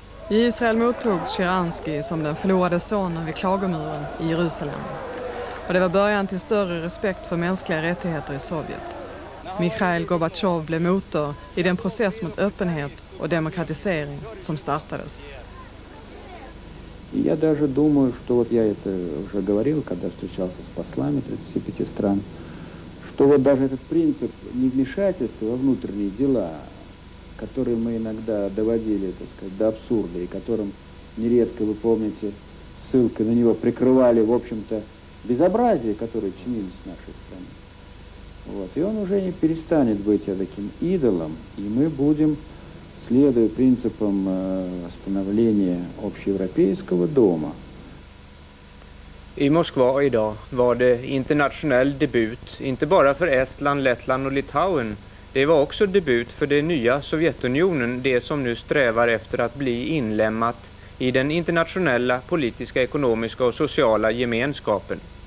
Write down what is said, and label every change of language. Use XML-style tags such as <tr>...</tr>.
<sv>I Israel mottogs Sharansky som den förlorade sonen vid klagomuren i Jerusalem. Och det var början till större respekt för mänskliga rättigheter i Sovjet. Mikhail Gorbachev blev motor i den process mot öppenhet och demokratisering som startades.</sv> <ru>Я даже думаю, что вот я это уже говорил, когда встречался с послами 35 стран, что вот даже этот принцип невмешательства во внутренние дела, который мы иногда доводили, так сказать, до абсурда, и которым нередко, вы помните, ссылкой на него прикрывали, в общем-то, безобразие, которое чинилось в нашей стране. Вот. И он уже не перестанет быть таким идолом, и мы будем... Следuje principom становления общеевропейского дома.</ru> <sv>I Moskva idag var det internationell debut, inte bara för Estland, Lettland och Litauen. Det var också debut för det nya Sovjetunionen, det som nu strävar efter att bli inlemmat i den internationella politiska, ekonomiska och sociala gemenskapen.</sv>